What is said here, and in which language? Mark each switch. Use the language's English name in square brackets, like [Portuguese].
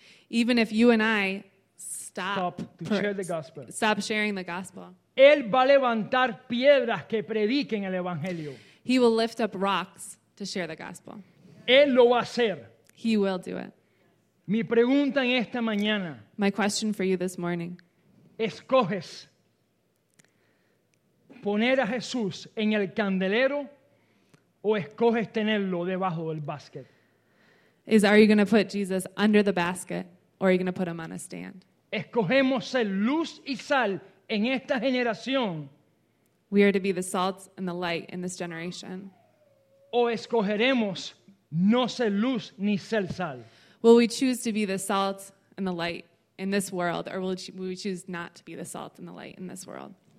[English] even if you and I stop sharing the gospel, [Spanish] Él va a levantar piedras que prediquen el evangelio. [English] He will lift up rocks to share the gospel. [Spanish] Él lo va a hacer. [English] He will do it. [Spanish] Mi pregunta en esta mañana. [English] My question for you this morning. [Spanish] ¿Escoges poner a Jesús en el candelero o escoges tenerlo debajo del basket? [English] Are you going to put Jesus under the basket or are you going to put him on a stand? [Spanish] ¿Escogemos ser luz y sal en esta generación? [English] We are to be the salt and the light in this generation. [Spanish] O escogeremos no ser luz ni ser sal. [English] Will we choose to be the salt and the light in this world, or will we choose not to be the salt and the light in this world?